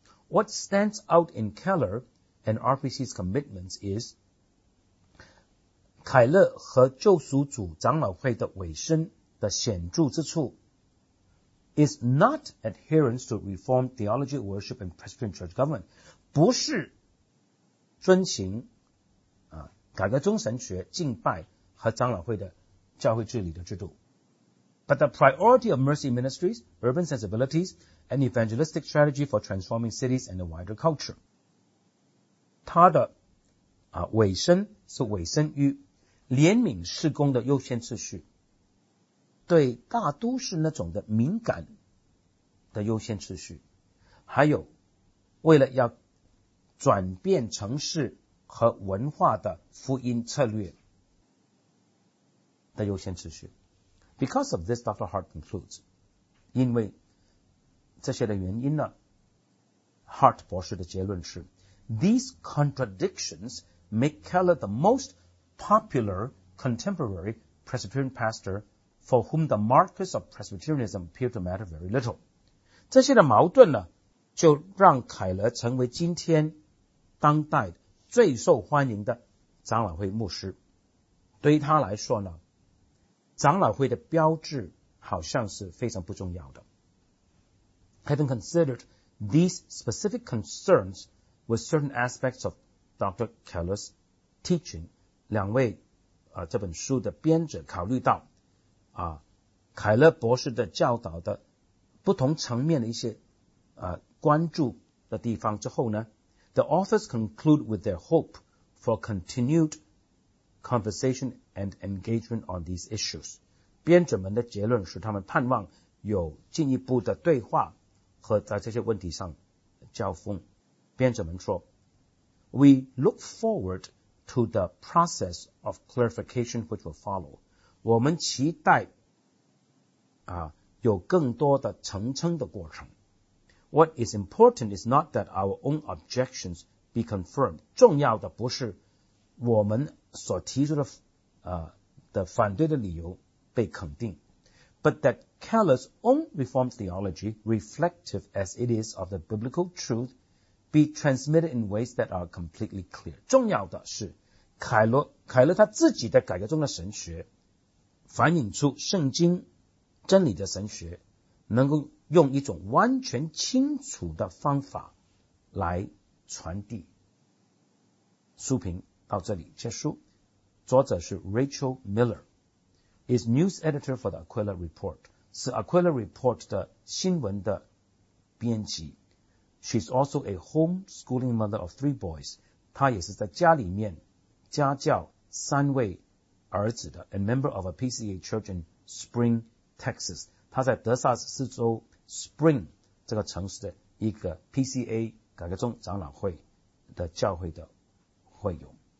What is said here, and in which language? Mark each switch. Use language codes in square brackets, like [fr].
[en] What stands out in Keller and RPC's commitments is [zh] 凯勒和救赎主长老会的委身的显著之处 [en] is not adherence to Reformed theology, worship and Presbyterian church government, [zh] 不是遵循改革宗神学敬拜和长老会的教会治理的制度。 [en] But the priority of mercy ministries, urban sensibilities, and evangelistic strategy for transforming cities and the wider culture. [zh] 他的委身是委身于怜悯事工的优先次序，对大都市那种的敏感的优先次序，还有为了要转变城市和文化的福音策略的优先次序。 [en] Because of this, Dr. Hart concludes, [zh] 因为这些的原因呢， Hart 博士的结论是 [en] These contradictions make Keller the most popular contemporary Presbyterian pastor for whom the markers of Presbyterianism appear to matter very little. [zh] 这些的矛盾呢，就让凯勒成为今天当代最受欢迎的长老会牧师。对于他来说呢，长老会的标志好像是非常不重要的。 [en] Having considered these specific concerns with certain aspects of Dr. Keller's teaching, [zh] 两位这本书的编者考虑到凯勒博士的教导的不同层面的一些关注的地方之后呢， [en] the authors conclude with their hope for continued conversation and engagement on these issues. [zh] 编者们的结论是他们盼望有进一步的对话和在这些问题上交锋。编者们说， [en] We look forward to the process of clarification which will follow. [zh] 我们期待有更多的澄清的过程。 [en] What is important is not that our own objections be confirmed. [zh] 重要的不是我们所提出的反对的理由被肯定， [en] but that Keller's own Reformed theology, reflective as it is of the biblical truth, be transmitted in ways that are completely clear. [zh] 重要的是凯勒他自己的改革中的神学反映出圣经真理的神学，能够用一种完全清楚的方法来传递。书评到这里结束。作者是 Rachel Miller, [en] is news editor for the Aquila Report, [zh] 是 Aquila Report 的新闻的编辑。 [en] She's also a homeschooling mother of three boys. [zh] 她也是在家里面家教三位儿子的 [en] a member of a PCA church in Spring, Texas. [zh] 她在德萨斯州 Spring 这个城市的一个 PCA 改革中长老会的教会的会友。